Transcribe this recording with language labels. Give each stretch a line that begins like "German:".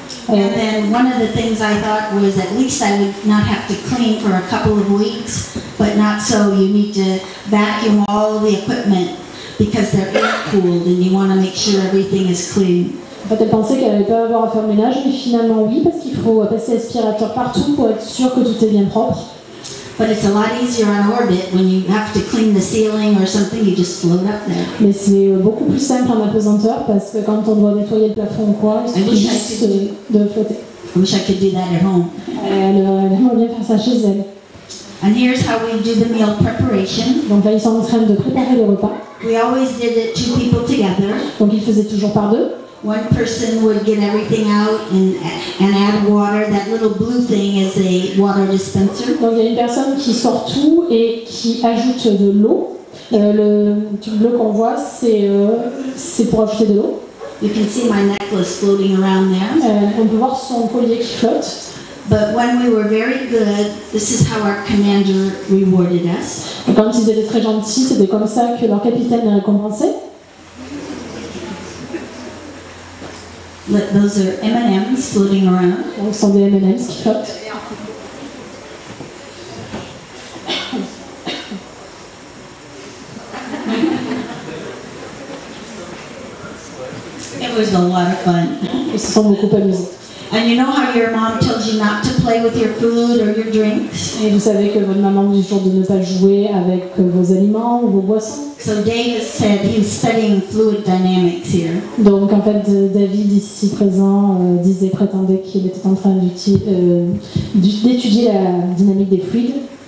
English: And then one of the things I thought was at least I would not have to clean for a couple of weeks, but not so. You need to vacuum all the equipment because they're air cooled and you want to make sure everything is clean.
French: En fait, elle pensait qu'elle n'allait pas avoir à faire le ménage, mais finalement oui, parce qu'il faut passer l'aspirateur partout pour être sûr que tout est bien propre.
English: But it's a lot easier on orbit when you have to clean the ceiling or something, you just float up there.
French: Mais c'est beaucoup plus simple en apesanteur parce que quand on doit nettoyer le plafond ou quoi, il suffit juste de flotter.
English: I wish I could do that at home.
French: Elle aimerait bien faire ça chez elle.
English: And here's how we do the meal preparation.
French: Donc là, ils sont en train de préparer le repas.
English: We always did it two people together.
French: Donc ils faisaient toujours par deux.
English: One person would get everything out and add water. That little blue thing is a water dispenser.
French: Donc il y a une personne qui sort tout et qui ajoute de l'eau. Le tube bleu qu'on voit, c'est pour ajouter de l'eau.
English: You can see my necklace floating around there.
French: On peut voir son collier qui flotte.
English: But when we were very good, this is how our commander rewarded us.
French: Et quand ils étaient très gentils, c'était comme ça que leur capitaine les récompensait.
English: Those are M&M's floating around.
French: Donc, ce sont des M&M's qui flottent.
English: It was a lot of fun.
French: Ils se sont beaucoup amusés.
English: And you know how your mom tells you not to play with your food or your drinks?
French: Et vous savez que votre maman vous dit toujours de ne pas jouer avec vos aliments ou vos boissons.
English: So David said he was studying fluid dynamics here.
French: Donc en fait David ici présent prétendait qu'il était en train d'étudier la dynamique des fluides.